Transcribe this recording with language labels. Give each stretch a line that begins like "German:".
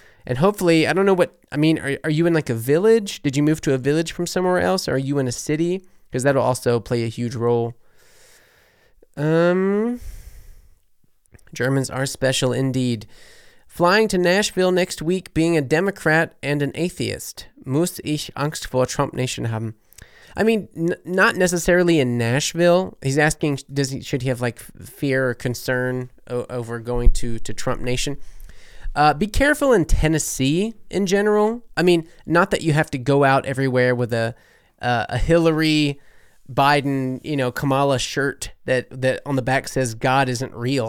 English: And hopefully, I don't know what, I mean, are you in like a village? Did you move to a village from somewhere else? Or are you in a city? Because that'll also play a huge role. Germans are special indeed. Flying to Nashville next week, being a Democrat and an atheist.
German: Muss ich Angst vor Trump Nation haben?
English: I mean, not necessarily in Nashville. He's asking, should he have like fear or concern over going to Trump Nation? Be careful in Tennessee in general. I mean, not that you have to go out everywhere with a Hillary, Biden, you know, Kamala shirt that on the back says God isn't real.